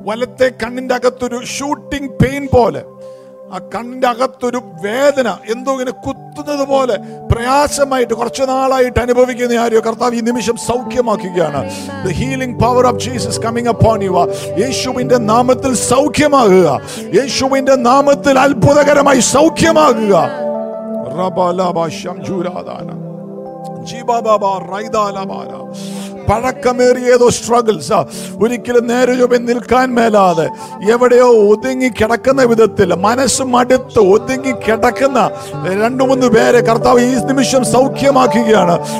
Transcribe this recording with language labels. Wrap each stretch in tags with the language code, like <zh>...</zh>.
<ml>വലത്തെ കണ്ണിന്റെ അകത്തൊരു ഷൂട്ടിംഗ് പെയിൻ പോലെ, ആ കണ്ണിന്റെ അകത്തൊരു വേദന, എന്തോ ഇങ്ങനെ കുത്തുന്നത് പോലെ പ്രയാസമായിട്ട് കുറച്ചു നാളായിട്ട് അനുഭവിക്കുന്ന ആരോ കർത്താവ് ഈ നിമിഷം സൗഖ്യമാക്കുകയാണ്.</ml> <en>The healing power of Jesus coming upon you.</en> <ml>യേശുവിന്റെ നാമത്തിൽ സൗഖ്യമാകുക, യേശുവിന്റെ നാമത്തിൽ അത്ഭുതകരമായി സൗഖ്യമാകുക. പഴക്കമേറിയ ഏതോ സ്ട്രഗിൾസ് ഒരിക്കലും നേരെ ചൊവ്വെ നിൽക്കാൻ മേലാതെ എവിടെയോ ഒതുങ്ങി കിടക്കുന്ന വിധത്തിൽ, മനസ്സ് മടുത്ത് ഒതുങ്ങി കിടക്കുന്ന രണ്ടു മൂന്ന് പേരെ കർത്താവ് ഈ നിമിഷം സൗഖ്യമാക്കുകയാണ്.</ml>